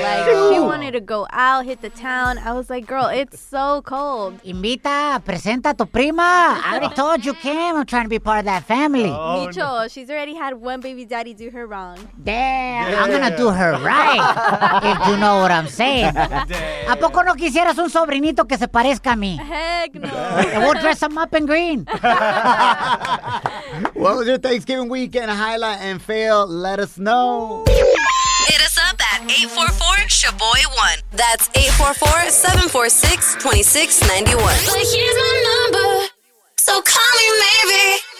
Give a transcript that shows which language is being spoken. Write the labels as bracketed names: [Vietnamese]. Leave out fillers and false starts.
[English] Like, she wanted to go out, hit the town. I was like, girl, it's so cold. [Spanish] Invita, presenta a tu prima. [English] I already told you, Kim. I'm trying to be part of that family. Oh, Micho, no. She's already had one baby daddy do her wrong. Damn. Yeah. I'm gonna do her right, if you know what I'm saying. Damn. [Spanish] ¿A poco no quisieras un sobrinito que se parezca a mí? [English] Heck no. And we'll dress him up in green. What was your Thanksgiving weekend highlight and fail? Let us know. Hit us up at 844-SHABOY1. That's 844-746-2691. But here's my number, so call me maybe.